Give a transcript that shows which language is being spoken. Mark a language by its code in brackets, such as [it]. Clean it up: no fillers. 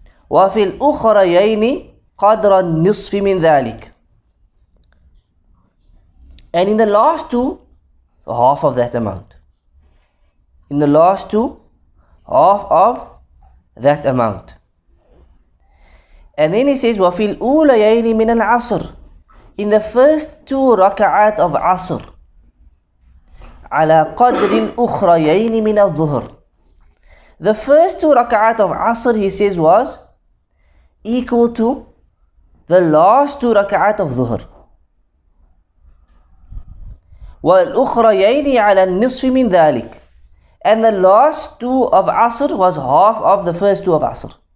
[ar] وفي الأخرين قدر النصف من ذلك. [en] And in the last two, half of that amount. In the last two, half of that amount. And then he says, [ar] وفي الأوليين من العصر. [en] In the first two ركعات of عصر. [ar] على قدر الأخرين من الظهر. [en] The first two ركعات of عصر, he says, was equal to the last two raka'at of dhuhr. [ar] وَالْأُخْرَيَيْنِ عَلَى النِّصْفِ مِنْ ذَلِكِ. [en] And the last two of Asr was half of the first two of Asr.